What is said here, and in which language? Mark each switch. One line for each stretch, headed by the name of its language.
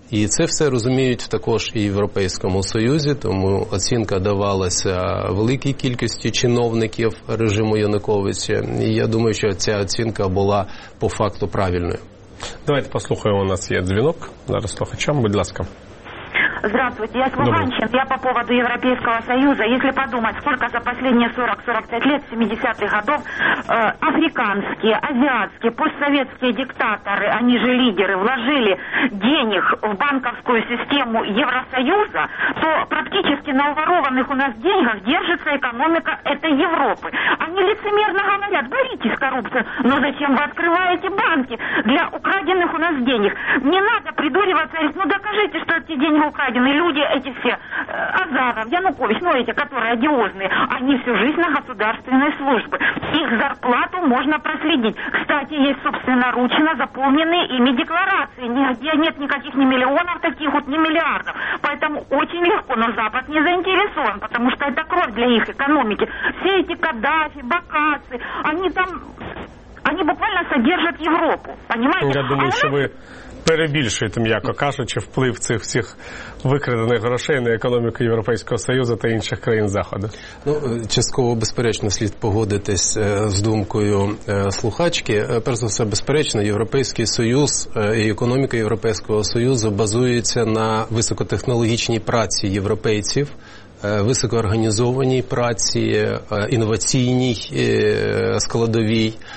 Ukrainian: І це все розуміють також і в Європейському Союзі, тому оцінка давалася великій кількості чиновників режиму Януковича. І я думаю, що ця оцінка була по факту правильною. Давайте послухаємо, у нас є дзвінок. Зараз слухачам, будь ласка.
Russian: Здравствуйте, я с Луганщины, я по поводу Европейского Союза. Если подумать, сколько за последние 40-45 лет, 70-х годов, африканские, азиатские, постсоветские диктаторы, они же лидеры, вложили денег в банковскую систему Евросоюза, то практически на уворованных у нас деньгах держится экономика этой Европы. Они лицемерно говорят, боритесь коррупции, но зачем вы открываете банки для украденных у нас денег? Не надо придуриваться, ну докажите, что эти деньги украдены. Люди эти все, Азаров, Янукович, эти, которые одиозные, они всю жизнь на государственной службе. Их зарплату можно проследить. Кстати, есть собственноручно заполненные ими декларации. Нигде нет никаких ни миллионов таких, ни миллиардов. Поэтому очень легко, но Запад не заинтересован, потому что это кровь для их экономики. Все эти Каддафи, Бакасы, они буквально содержат Европу. Понимаете? Я думаю, что вы...
Ukrainian: перебільшуєте, м'яко кажучи, вплив цих всіх викрадених грошей на економіку Європейського Союзу та інших країн Заходу. Ну, частково, безперечно, слід погодитись з думкою слухачки. Перш за все, безперечно, Європейський Союз і економіка Європейського Союзу базується на високотехнологічній праці європейців, високоорганізованій праці, інноваційній складовій.